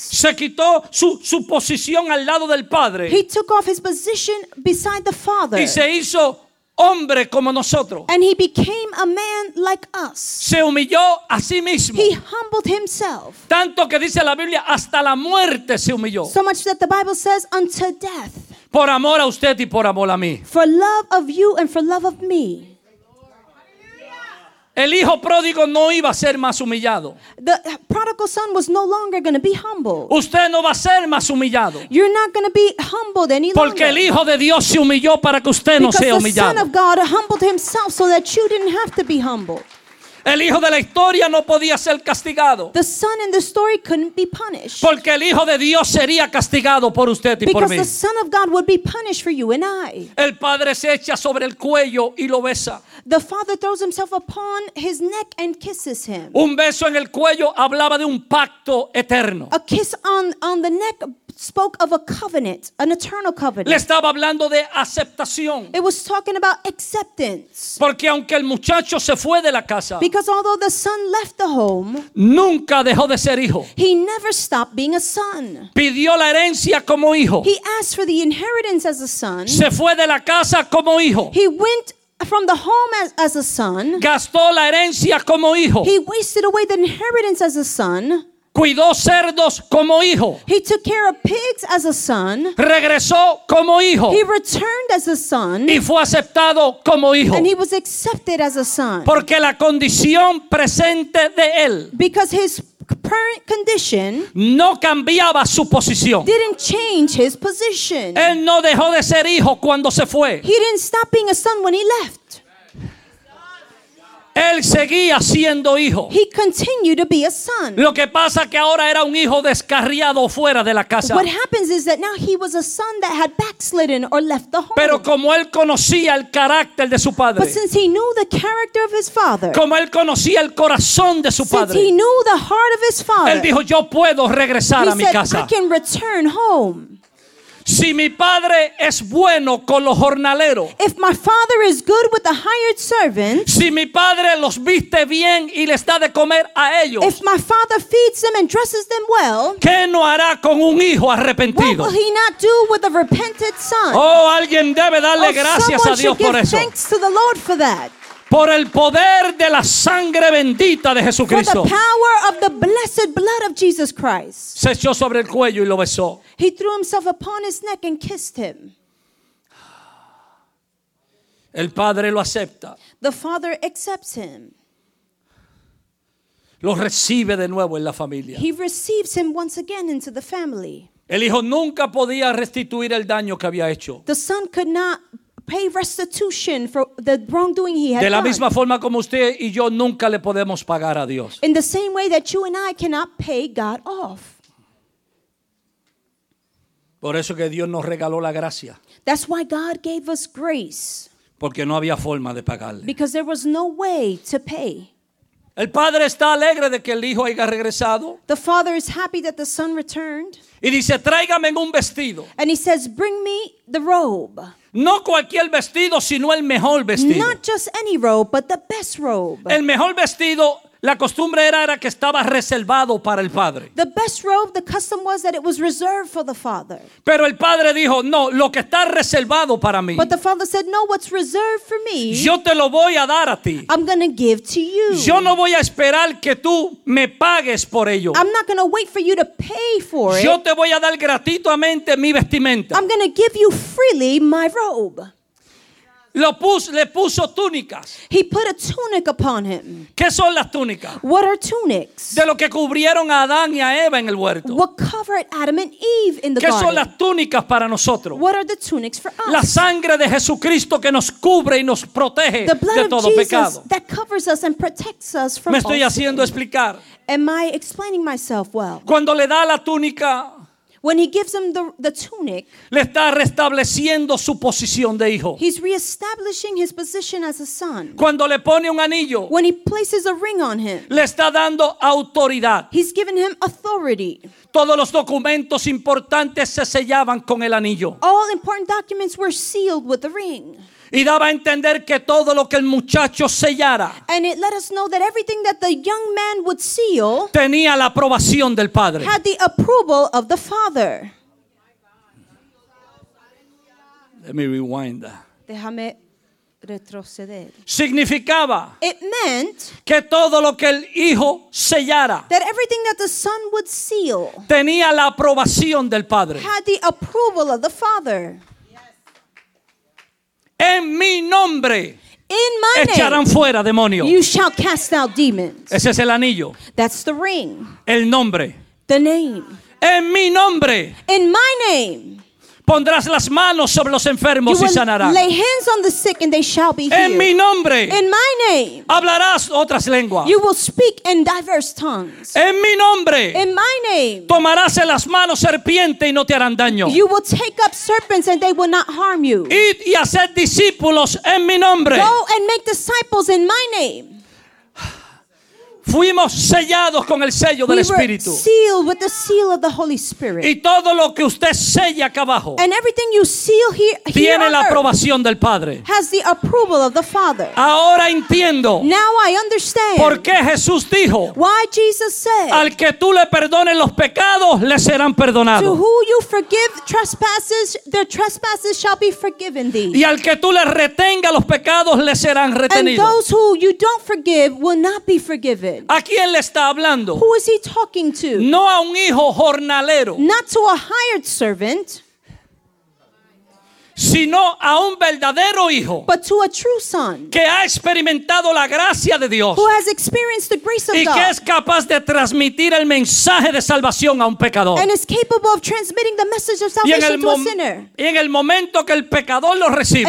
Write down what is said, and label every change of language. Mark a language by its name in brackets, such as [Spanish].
[Spanish] Se quitó su posición al lado del Padre. [English] He took off his position beside the Father. [Spanish] Y se hizo hombre como nosotros. [English] And he became a man like us. [Spanish] Se humilló a sí mismo. [English] He humbled himself. [Spanish] Tanto que dice la Biblia, hasta la muerte se humilló. [English] So much that the Bible says, unto death. [Spanish] Por amor a usted y por amor a mí. [English] For love of you and for love of me. [Spanish] El hijo pródigo no iba a ser más humillado. [English] The prodigal son was no longer going to be humbled. [Spanish] Usted no va a ser más humillado. [English] You're not going to be humbled any longer. [Spanish] Porque el hijo de Dios se humilló para que usted no sea humillado. [English] Because the son of God humbled himself so that you didn't have to be humbled. [Spanish] El hijo de la historia no podía ser castigado. [English] The son in the story couldn't be punished. [Spanish] Porque el hijo de Dios sería castigado por usted y por mí. [English] Because the son of God would be punished for you and I. [Spanish] El padre se echa sobre el cuello y lo besa. [English] The father throws himself upon his neck and kisses him. [Spanish] Un beso en el cuello hablaba de un pacto eterno. [English] A kiss on the neck spoke of a covenant, an eternal covenant. [Spanish] Le estaba hablando de aceptación. [English] It was talking about acceptance. [Spanish] Porque aunque el muchacho se fue de la casa, [English] because although the son left the home, [Spanish] nunca dejó de ser hijo. [English] He never stopped being a son. [Spanish] Pidió la herencia como hijo. [English] He asked for the inheritance as a son. [Spanish] Se fue de la casa como hijo. [English] He went from the home as a son. [Spanish] Gastó la herencia como hijo. [English] He wasted away the inheritance as a son. [Spanish] Cuidó cerdos como hijo. [English] He took care of pigs as a son. [Spanish] Regresó como hijo. [English] He returned as a son. [Spanish] Y fue aceptado como hijo. [English] And he was accepted as a son. [Spanish] Porque la condición presente de él, [English] because his current condition, [Spanish] no cambiaba su posición. [English] Didn't change his position. [Spanish] Él no dejó de ser hijo cuando se fue. [English] He didn't stop being a son when he left. [Spanish] Él seguía siendo hijo. [English] He continued to be a son. [Spanish] Lo que pasa que ahora era un hijo descarriado fuera de la casa. [English] What happens is that now he was a son that had backslidden or left the home. [Spanish] Pero como él conocía el carácter de su padre. [English] But since he knew the character of his father. [Spanish] Como él conocía el corazón de su padre. [English] Since he knew the heart of his father. [Spanish] Él dijo, yo puedo regresar a mi casa. [English] He said, I can return home. [Spanish] Si mi padre es bueno con los jornaleros. [English] If my father is good with the hired servants. [Spanish] Si mi padre los viste bien y les da de comer a ellos. [English] If my father feeds them and dresses them well. [Spanish] ¿Qué no hará con un hijo arrepentido? [English] What will he not do with a repented son? [Spanish] Oh, alguien debe darle gracias a Dios por eso. [English] Someone should give thanks to the Lord for that. [Spanish] Por el poder de la sangre bendita de Jesucristo. [English] For the power of the blessed blood of Jesus Christ. [Spanish] Se echó sobre el cuello y lo besó. [English] He threw himself upon his neck and kissed him. [Spanish] El padre lo acepta. [English] The father accepts him. [Spanish] Lo recibe de nuevo en la familia. [English] He receives him once again into the family. [Spanish] El hijo nunca podía restituir el daño que había hecho. [English] The son could not pay restitution for the wrongdoing he had done. [Spanish] De la misma forma como usted y yo nunca le podemos pagar a Dios. [English] In the same way that you and I cannot pay God off. [Spanish] Por eso que Dios nos regaló la gracia. [English] That's why God gave us grace. [Spanish] Porque no había forma de pagarle. [English] Because there was no way to pay. [Spanish] El padre está alegre de que el hijo haya regresado. [English] The father is happy that the son returned. [Spanish] Y dice, tráigame un vestido. [English] And he says, bring me the robe. [Spanish] No cualquier vestido, sino el mejor vestido. [English] Not just any robe, but the best robe. [Spanish] El mejor vestido. La costumbre era que estaba reservado para el padre. [English] The best robe, the custom was that it was reserved for the father. [Spanish] Pero el padre dijo, no, lo que está reservado para mí. [English] But the father said, no, what's reserved for me. [Spanish] Yo te lo voy a dar a ti. [English] I'm going to give to you. [Spanish] Yo no voy a esperar que tú me pagues por ello. [English] I'm not going to wait for you to pay for it. [Spanish] Yo te voy a dar gratuitamente mi vestimenta. [English] I'm going to give you freely my robe. [Spanish] Le puso túnicas. [English] He put a tunic upon him. [Spanish] ¿Qué son las túnicas? [English] What are tunics? [Spanish] De lo que cubrieron a Adán y a Eva en el huerto. [English] What covered Adam and Eve in the garden? [Spanish] ¿Qué son las túnicas para nosotros? [English] What are the tunics for us? [Spanish] La sangre de Jesucristo que nos cubre y nos protege de todo pecado. [English] The blood of Jesus that covers us and protects us from all. [Spanish] Me estoy haciendo explicar. [English] Am I explaining myself well? [Spanish] Cuando le da la túnica. [English] When he gives him the tunic, [Spanish] le está restableciendo su posición de hijo. [English] He's reestablishing his position as a son. [Spanish] Cuando le pone un anillo, [English] when he places a ring on him, [Spanish] le está dando autoridad. [English] He's giving him authority. [Spanish] Todos los documentos importantes se sellaban con el anillo. [English] All important documents were sealed with the ring. [Spanish] Y daba a entender que todo lo que el muchacho sellara. [English] And it let us know that everything that the young man would seal. [Spanish] Tenía la aprobación del padre. [English] Had the approval of the father. Let me rewind that. [Spanish] Déjame retroceder. Significaba. [English] It meant. [Spanish] Que todo lo que el hijo sellara. [English] That everything that the son would seal. [Spanish] Tenía la aprobación del padre. [English] Had the approval of the father. [Spanish] En mi nombre [English] in my [Spanish] echarán [English] name, [Spanish] fuera demonios. [English] You shall cast out demons. [Spanish] Ese es el anillo. [English] That's the ring. [Spanish] El nombre. [English] The name. [Spanish] En mi nombre. [English] In my name. [Spanish] Pondrás las manos sobre los enfermos [English] you [Spanish] y sanarán. [English] Lay hands on the sick and they shall be healed. [Spanish] En mi nombre. [English] In my name. [Spanish] Hablarás otras lenguas. [English] You will speak in diverse tongues. [Spanish] En mi nombre. [English] In my name. [Spanish] Tomarás en las manos serpientes y no te harán daño. [English] You will take up serpents and they will not harm you. [Spanish] Id y haced discípulos en mi nombre. [English] Go and make disciples in my name. [Spanish] Fuimos sellados con el sello del Espíritu. [English] We were sealed with the seal of the Holy Spirit. [Spanish] Y todo lo que usted sella acá abajo. [English] And everything you seal here. [Spanish] Tiene la aprobación del Padre. [English] Has the approval of the Father. [Spanish] Ahora entiendo. [English] Now I understand. [Spanish] ¿Por qué Jesús dijo? [English] Why Jesus said. [Spanish] Al que tú le perdones los pecados, le serán perdonados. [English] To who you forgive trespasses, their trespasses shall be forgiven thee. [Spanish] Y al que tú le retenga los pecados, le serán retenidos. [English] And those who you don't forgive will not be forgiven. [Spanish] ¿A quién le está hablando? [English] Who is he talking to? [Spanish] No a un hijo jornalero. [English] Not to a hired servant. [Spanish] sino a un verdadero hijo, [English] but to a true son, [Spanish] que ha experimentado la gracia de Dios, [English] who has experienced the grace of [Spanish] y [English] God, [Spanish] que es capaz de transmitir el mensaje de salvación a un pecador, [English] and is capable of transmitting the message of salvation to a sinner. [Spanish] Y en el momento que el pecador lo recibe,